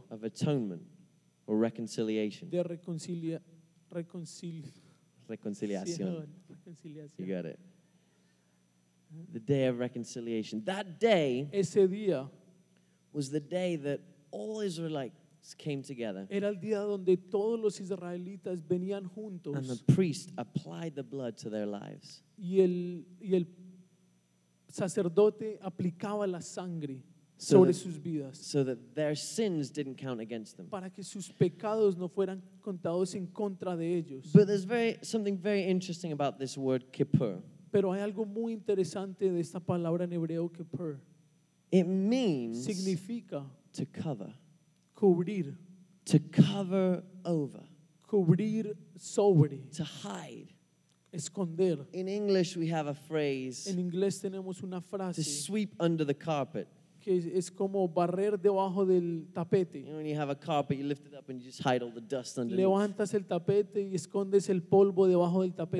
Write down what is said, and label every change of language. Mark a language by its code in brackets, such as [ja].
[en] of atonement or reconciliation. [es] De reconciliación. [en] You got it. The day of reconciliation. That day, [es] ese día, [en] was the day that all Israelites came together. [es] Era el día donde todos los israelitas venían juntos. [en] And the priest applied the blood to their lives. [es] Y el sacerdote aplicaba la sangre sobre sus vidas. [en] So that their sins didn't count against them. [es] Para que sus pecados no fueran contados en contra de ellos. [en] But there's something very interesting about this word Kippur. [es] Pero hay algo muy interesante de esta palabra en hebreo Kippur. [en] It means, [es] significa, [en] to cover. [es] Cubrir, [en] to cover over, [es] cubrir sobre, [en] to hide, [es] esconder. [en] In English, we have a phrase. [es] En inglés tenemos una frase. [en] To sweep under the carpet. [es] Que es como barrer debajo del tapete. [en] You know, when you have a carpet, you lift it up and you just hide all the dust underneath. [es] Levantas el tapete y escondes el polvo debajo del tapete.